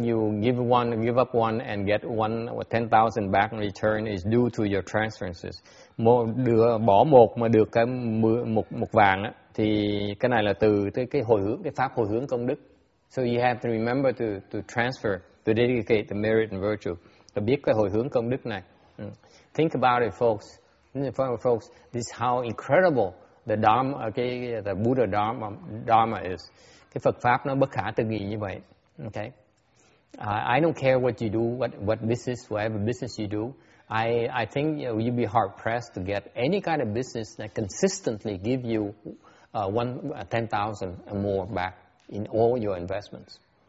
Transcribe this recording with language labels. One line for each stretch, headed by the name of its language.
English: you give one, give up one, and get one 10,000 back in return is due to your transferences.
Vietnamese: Bỏ một mà được cái một vàng á, thì cái này là từ cái hồi hướng, cái pháp hồi hướng công đức.
English: So you have to remember to transfer, to dedicate the merit and virtue.
Vietnamese: Ta biết cái hồi hướng công đức này.
English: Think about it, folks. This is how incredible the Dharma, the Buddha Dharma is.
Vietnamese: Cái Phật pháp nó bất khả tư nghị như vậy.
English: Okay. I don't care what you do, what business, whatever business you do. I think you know, you'd be hard pressed to get any kind of business that consistently give you 10,000 or more back in all your investments.